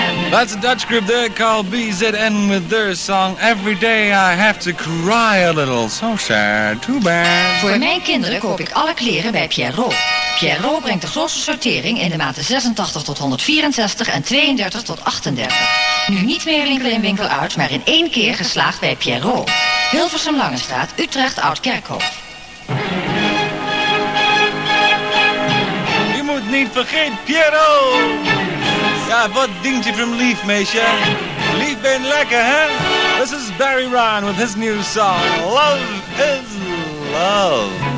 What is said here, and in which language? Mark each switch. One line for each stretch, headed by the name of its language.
English: That's a Dutch group there called BZN with their song Every Day I Have to Cry a Little. So sad, too bad.
Dutch: Voor mijn kinderen koop ik alle kleren bij Pierrot. Pierrot brengt de grootste sortering in de maten 86 tot 164 en 32 tot 38. Nu niet meer winkel in winkel uit, maar in één keer geslaagd bij Pierrot. Hilversum Langestraat, Utrecht Oud Kerkhof. Je moet niet vergeten, Pierrot! Ja, wat dingetje van Leaf, meisje. Leaf ben lekker, hè?
English: This is Barry Ryan with his new song, Love is Love.